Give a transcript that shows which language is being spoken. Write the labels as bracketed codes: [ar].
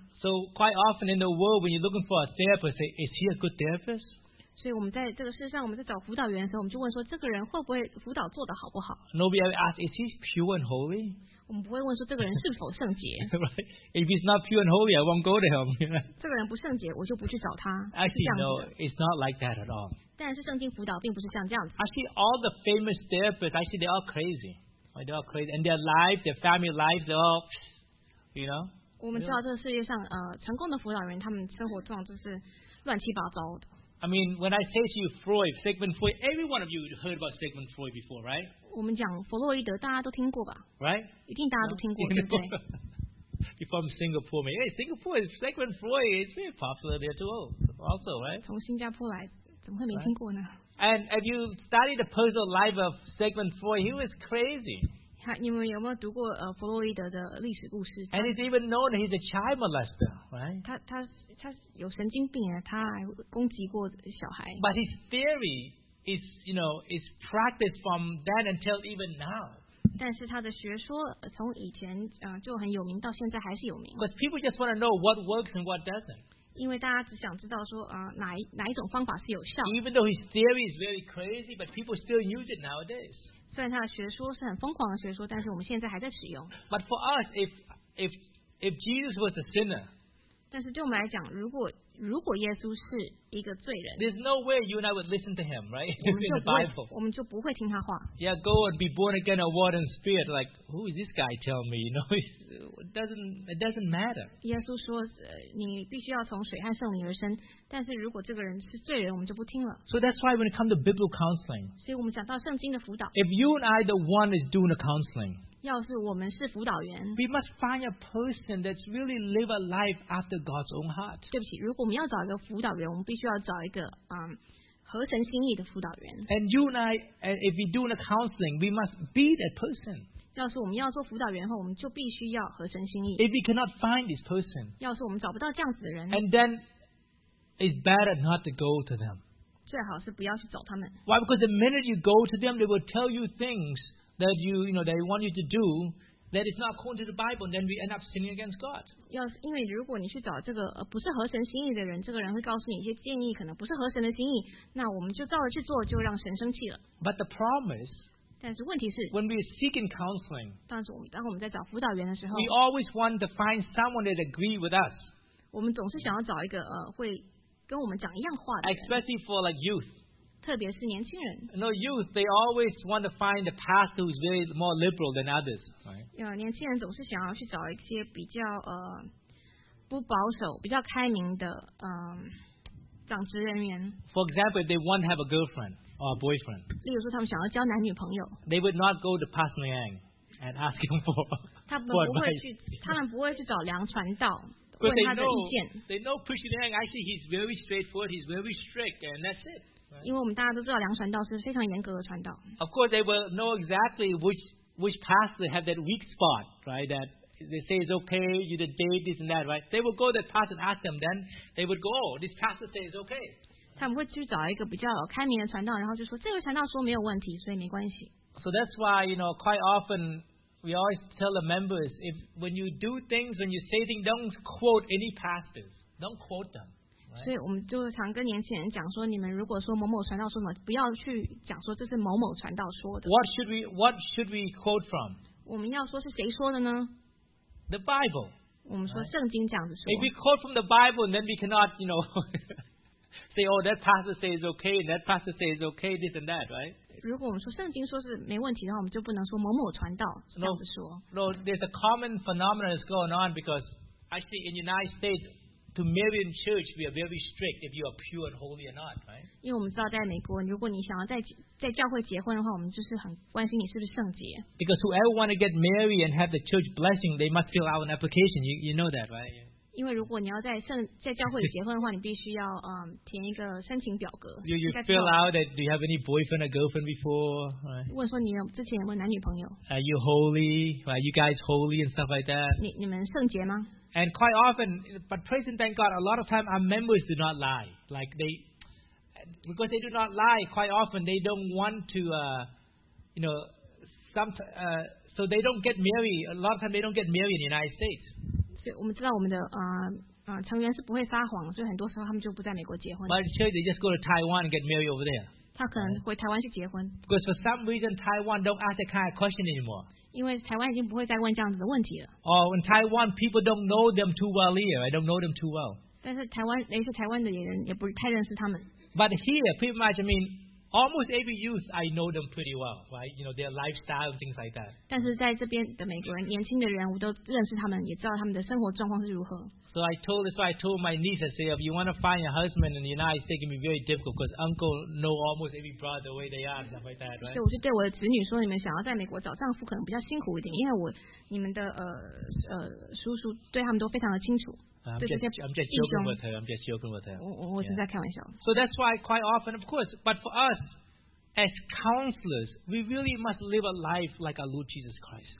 [en] So quite often in the world, when you're looking for a therapist, is he a good therapist? [zh] 所以我们在这个世上，我们在找辅导员的时候，我们就问说，这个人会不会辅导做得好不好 [en] ？Nobody ever asks, is he pure and holy? [zh] 我们不会问说这个人是否圣洁。 [en] Right? If he's not pure and holy, I won't go to him. [zh] 这个人不圣洁，我就不去找他。 [en] Actually, no, it's not like that at all. [zh] 但是圣经辅导并不是像这样子。 [en] I see all the famous therapists. I see they're all crazy. They're all crazy, and their life, their family life, they're all, you know. [zh] 我们知道这个世界上成功的辅导员，他们生活状就是乱七八糟的。 [en] I mean, when I say to you Freud, Sigmund Freud, every one of you heard about Sigmund Freud before, right? [zh] 我们讲弗洛伊德，大家都听过吧 [en] ？Right? [zh] 一定大家都听过， [en] <You know? [zh] S 1> 对不对？ [en] You're from Singapore, man. Hey, Singapore is Sigmund Freud. It's very popular there too, also, right? [zh] 从新加坡来。怎么会没听过呢 [en] ？And if you study the personal life of Sigmund Freud, he was crazy. [zh] 你们有没有读过弗洛伊德的历史故事 [en] ？And he's even known that he's a child molester, right? [zh] 他有神经病啊，他还攻击过小孩。 [en] But his theory is, you know, is practiced from then until even now. [zh] 但是他的学说从以前就很有名，到现在还是有名。 [en] But people just want to know what works and what doesn't. [zh] 因为大家只想知道说哪一种方法是有效。 [en] Even though his theory is very crazy, but people still use it nowadays. [zh] 虽然他的学说是很疯狂的学说，但是我们现在还在使用。 [en] But for us, if Jesus was a sinner, [zh] 但是对我们来讲，如果耶稣是一个罪人 [en] ，There's no way you and I would listen to him, right? In the Bible, [zh] 我们就不会听他话。 [en] Yeah, go and be born again of water and spirit. Like, who is this guy telling me? You know, it doesn't matter. [zh] 耶稣说，你必须要从水和圣灵而生。但是如果这个人是罪人，我们就不听了。 [en] So that's why when it comes to biblical counseling, [zh] 所以我们讲到圣经的辅导。 [en] If you and I, the one is doing the counseling, [zh] 要是我们是辅导员 [en] ，we must find a person that's really live a life after God's own heart. [zh] 对不起，如果我们要找一个辅导员，我们必须要找一个合神心意的辅导员。 [en] And you and I, and if we do the counseling, we must be that person. [zh] 要是我们要做辅导员后，我们就必须要合神心意。 [en] If we cannot find this person, [zh] 要是我们找不到这样子的人 [en] ，and then it's better not to go to them. [zh] 最好是不要去找他们。 [en] Why? Because the minute you go to them, they will tell you things that you know they want you to do. That is not according to the Bible, and then we end up sinning against God. [zh] 要是因为如果你去找这个不是合神心意的人，这个人会告诉你一些建议，可能不是合神的心意，那我们就照着去做，就让神生气了。 [en] But the problem is, [zh] 但是问题是 [en] when we are seeking counseling, [zh] 当我们在找辅导员的时候 [en] ，we always want to find someone that agree with us. [zh] 我们总是想要找一个会跟我们讲一样话的人 [en] ，especially for like youth. [zh] 特别是年轻人。 [en] No, youth, they always want to find the pastor who's very more liberal than others, right? [zh] Yeah, 年轻人总是想要去找一些比较不保守、比较开明的长职人员。 [en] For example, if they want to have a girlfriend or a boyfriend. [zh] 例如说，他们想要交男女朋友。 [en] They would not go to Pastor Yang and ask him for advice. [zh] 他们不会去找梁传道。 [en] But they know Pastor Yang. Actually, he's very straightforward. He's very strict, and that's it. [zh] 因为我们大家都知道，梁传道是非常严格的传道。 [en] Of course, they will know exactly which pastor have that weak spot, right? That they say it's okay, you to date this and that, right? They will go to the pastor and ask them. Then they would go, oh, this pastor says it's okay. [zh] 他们会去找一个比较开明的传道，然后就说这位传道说没有问题，所以没关系。 [en] So that's why, you know, quite often we always tell the members if when you do things, when you say things, don't quote any pastors, don't quote them. Right. [zh] 所以我们就常跟年轻人讲说，你们如果说某某传道说什么，不要去讲说这是某某传道说的。 [en] What should we quote from? [zh] 我们要说是谁说的呢 [en] ？The Bible. [zh] 我们说圣经这样子说。 [en] If we quote from the Bible, then we cannot, you know, say, oh, that pastor says okay, and that pastor says okay, this and that, right? [zh] 如果我们说圣经说是没问题的话，我们就不能说某某传道这样子说。 [en] No, there's a common phenomenon that's going on because actually in the United States. To marry in church, we are very strict if you are pure and holy or not, right? [zh] 因为我们知道在美国，如果你想要在教会结婚的话，我们就是很关心你是不是圣洁。 [en] Because whoever want to get married and have the church blessing, they must fill out an application. You know that, right? [zh] 因为如果你要在圣在教会结婚的话，你必须要填一个申请表格。 [en] You fill out that do you have any boyfriend or girlfriend before?、Right. [zh] 问说你有之前有没有男女朋友 [en] ？Are you holy? Are、right, you guys holy and stuff like that? [zh] 你们圣洁吗 [en] ？And quite often, but praise and thank God, a lot of time our members do not lie. Like they, because they do not lie, quite often they don't want to, you know, some, so they don't get married. A lot of time they don't get married in the United States. [zh] 所以我们知道我们的成员是不会撒谎，所以很多时候他们就不在美国结婚。 [en] But church, they just go to Taiwan and get married over there. [zh] 他可能回台湾去结婚。 [en] Because for some reason Taiwan don't ask that kind of question anymore. [zh] 因为台湾已经不会再问这样子的问题了。 [en] Oh, in Taiwan, people don't know them too well here. I don't know them too well. [zh] 但是台湾，有些台湾的人也不太认识他们。 [en] But here, pretty much, I mean, almost every youth, I know them pretty well, right? You know their lifestyle and things like that. [zh] 但是在这边的美国人，年轻的人，我都认识他们，也知道他们的生活状况是如何。 [en] So I told this. So I told my niece, I said, if you want to find a husband in the United States, it can be very difficult because uncle know almost every brother the way they are, stuff like that, right? [zh] 所以我就对我的子女说，你们想要在美国找丈夫，可能比较辛苦一点，因为我你们的叔叔对他们都非常的清楚。 [en] I'm just joking with her. So that's why quite often, of course, but for us as counselors, we really must live a life like our Lord Jesus Christ.